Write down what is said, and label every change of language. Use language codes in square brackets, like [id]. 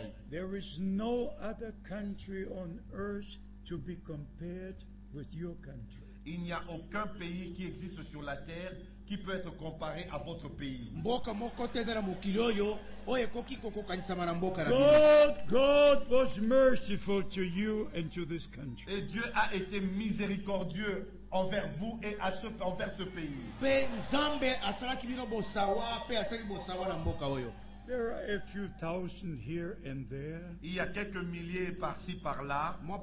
[en] There is no other country on earth to be compared with your country. [fr] Il n'y a aucun pays qui existe sur la terre qui peut être comparé à votre pays. [en] God was merciful to you and to this country. [fr] Et Dieu a été miséricordieux envers vous et à ce, envers ce pays. [en] There are a few thousand here and there. [fr] Il y a quelques milliers par-ci par-là.